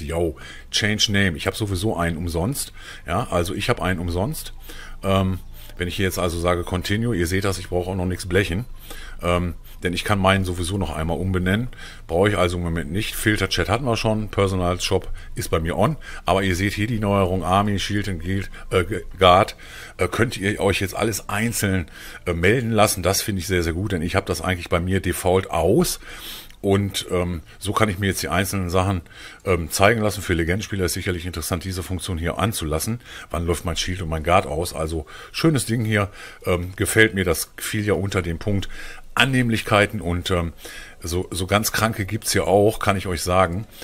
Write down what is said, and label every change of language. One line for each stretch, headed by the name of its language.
German: Yo, change name. Ich habe sowieso einen umsonst. Ja, also ich habe einen umsonst. Wenn ich hier jetzt also sage continue, ihr seht das, ich brauche auch noch nichts blechen. Denn ich kann meinen sowieso noch einmal umbenennen. Brauche ich also im Moment nicht. Filter Chat hatten wir schon. Personal Shop ist bei mir on. Aber ihr seht hier die Neuerung.
English: Army, Shield and Guild, Guard.
German: Könnt ihr euch jetzt alles einzeln melden lassen. Das finde ich sehr, sehr gut. Denn ich habe das eigentlich bei mir default aus. Und so kann ich mir jetzt die einzelnen Sachen zeigen lassen. Für Legendenspieler ist sicherlich interessant, diese Funktion hier anzulassen. Wann läuft mein Shield und mein Guard aus? Also schönes Ding hier. Gefällt mir. Das fiel ja unter dem Punkt Annehmlichkeiten und so ganz Kranke gibt es hier auch, kann ich euch sagen.